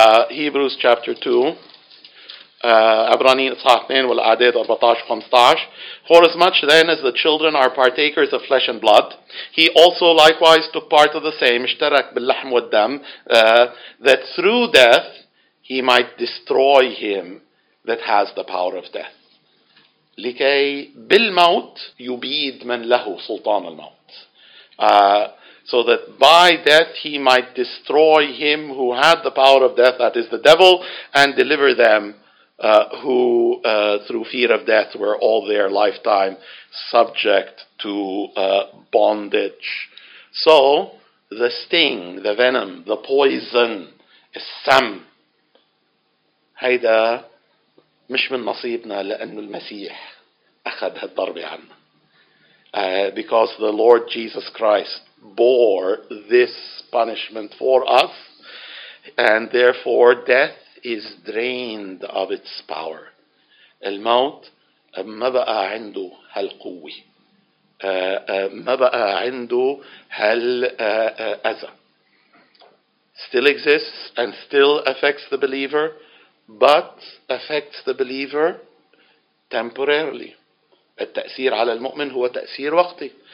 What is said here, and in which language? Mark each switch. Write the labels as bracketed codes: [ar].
[en] Hebrews chapter 2, [ar] عبرانيين إصحاح 2 والأعداد 14-15. [en] For as much then as the children are partakers of flesh and blood, he also likewise took part of the same, [ar] اشترك باللحم والدم, [en] that through death he might destroy him that has the power of death. [ar] لكي بالموت يبيد من له سلطان الموت. [en] So that by death he might destroy him who had the power of death, that is the devil, and deliver them who through fear of death were all their lifetime subject to bondage. So the sting, the venom, the poison, [ar] السم, هيدا مش من نصيبنا لأنه المسيح أخذ هالضربة عنا. [en] Because the Lord Jesus Christ bore this punishment for us, and therefore death is drained of its power. [ar] الموت ما بقى عنده هالقوة, ما بقى عنده هالأذى. [en] Still exists and still affects the believer, but affects the believer temporarily. [ar] التأثير على المؤمن هو تأثير وقتي.